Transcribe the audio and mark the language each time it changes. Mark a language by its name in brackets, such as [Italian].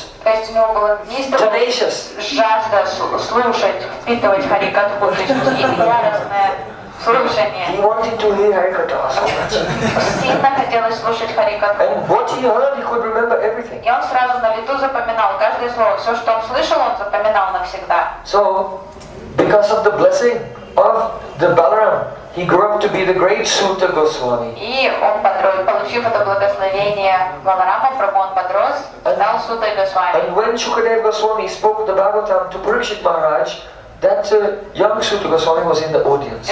[Russian] есть у него было неистовое жажда слушать, впитывать харикату, то есть яростное слушание. [English] He wanted to hear харикату so much. [Russian] Сильно хотелось слушать харикату. [English] And what he heard, he could remember everything. [Russian] И он сразу на лету запоминал каждое слово. Все, что он слышал, он запоминал навсегда. [English] So, because of the blessing of the Balaram, he grew up to be the great Sutta Goswami. [Russian] И он подрос, получив это благословение Баларама Прабху, он подрос, стал Сутта Госвами. [English] And when Shukadev Goswami spoke the Bhagavatam to Parikshit Maharaj, that young Sutta Goswami was in the audience.